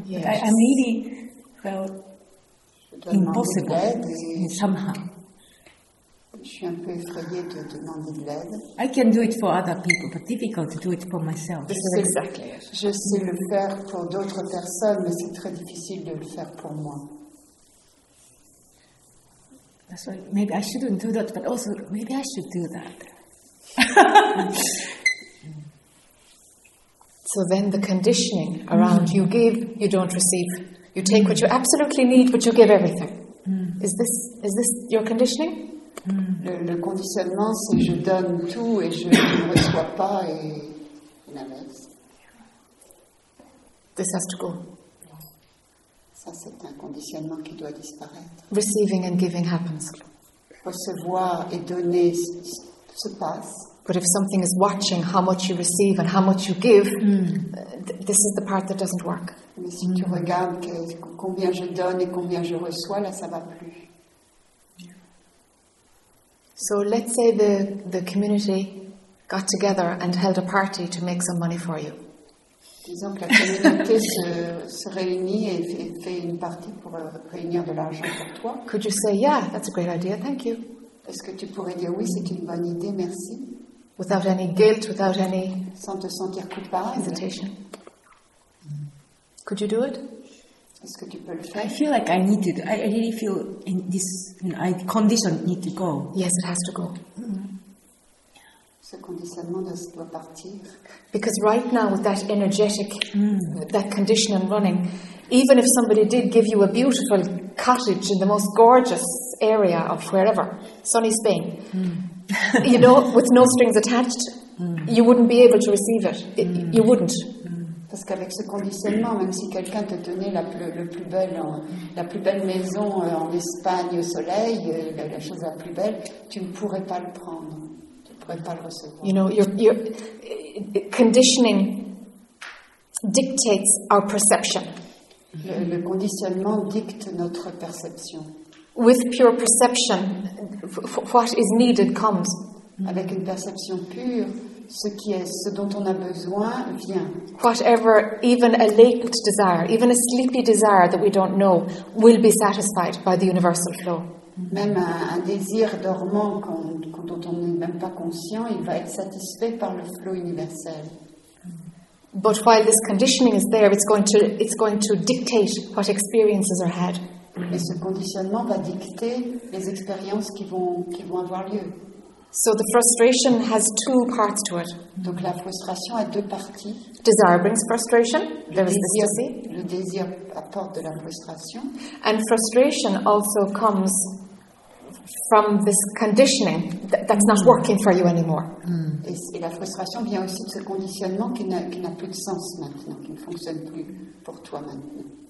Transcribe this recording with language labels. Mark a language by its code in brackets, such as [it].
[en] Yes. But I really felt impossible somehow. [fr] Je suis un peu effrayée de demander de l'aide. [en] I can do it for other people, but difficult to do it for myself. Exactly. [fr] Je sais le faire pour d'autres personnes, mais c'est très difficile de le faire pour moi. [en] So maybe I shouldn't do that, but also maybe I should do that. So then the conditioning around you give, you don't receive. You take what you absolutely need, but you give everything. Is this your conditioning? [fr] Le conditionnement, c'est je donne tout et je ne reçois pas et l'inverse. [en] This has to go. [fr] Ça, c'est un conditionnement qui doit disparaître. [en] Receiving and giving happens. [fr] Recevoir et donner se passe. [en] But if something is watching how much you receive and how much you give, this is the part that doesn't work. [fr] Mais si tu regardes combien je donne et combien je reçois, là, ça ne va plus. [en] So let's say the community got together and held a party to make some money for you. [fr] Disons que la communauté se réunit et fait une partie pour réunir de l'argent pour toi. [en] Could you say, yeah, that's a great idea, thank you. [fr] Est-ce que tu pourrais dire, oui, c'est une bonne idée, merci. [en] Without any guilt, without any [fr] sans te sentir coupable. [en] Hesitation. Could you do it? [fr] Est-ce que tu peux le faire? [en] I feel like I need to. I really feel in this condition need to go. Yes, it has to go. [fr] Ce conditionnement doit partir. [en] Because right now with that energetic, that condition and running, even if somebody did give you a beautiful cottage in the most gorgeous area of wherever, sunny Spain, you know, with no strings attached, you wouldn't be able to receive it. You wouldn't. [fr] Parce qu'avec ce conditionnement, même si quelqu'un te donnait la plus belle maison en Espagne au soleil, la chose la plus belle, tu ne pourrais pas le prendre. Tu ne pourrais pas le recevoir. [en] You know, your conditioning dictates our perception. [fr] Le conditionnement dicte notre perception. [en] With pure perception, what is needed comes. [fr] Avec une perception pure, ce qui est ce dont on a besoin vient. [en] Whatever, even a latent desire, even a sleepy desire that we don't know, will be satisfied by the universal flow. [fr] même un désir dormant quand dont on n'est même pas conscient, il va être satisfait par le flot universel. [en] But while this conditioning is there, it's going to dictate what experiences are had. [fr] Et ce conditionnement va dicter les expériences qui vont avoir lieu. [en] So the frustration has two parts to it. [fr] Donc la frustration a deux parties. [en] Desire brings frustration. [fr] Le désir apporte de la frustration. [en] And frustration also comes from this conditioning that's not working for you anymore. [fr] Et la frustration vient aussi de ce conditionnement qui n'a plus de sens maintenant, qui ne fonctionne plus pour toi maintenant.